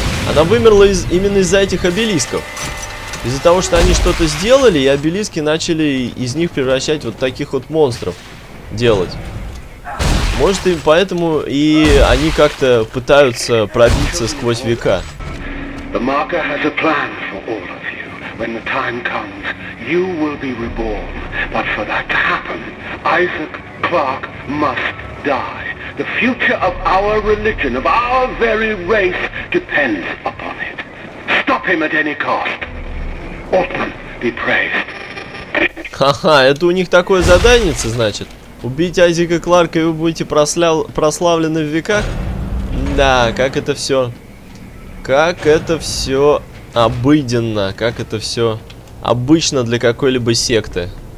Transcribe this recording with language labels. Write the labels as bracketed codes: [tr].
[ru] Она вымерла именно из-за этих обелисков. Из-за того, что они что-то сделали, и обелиски начали из них превращать вот таких вот монстров делать. Может, и поэтому и они как-то пытаются пробиться сквозь века. [en] The marker has a plan for all of you. When the time comes, you will be reborn. But for that to happen, Isaac Clark must die. The future of our religion, of our very race, depends upon it. Stop him at any cost. Ortman, be praised. [ru] Ха-ха, это у них такое задание, значит? Убить Айзека Кларка, и вы будете прославлены в веках? Да, как это все... Как это все обыденно, как это все обычно для какой-либо секты.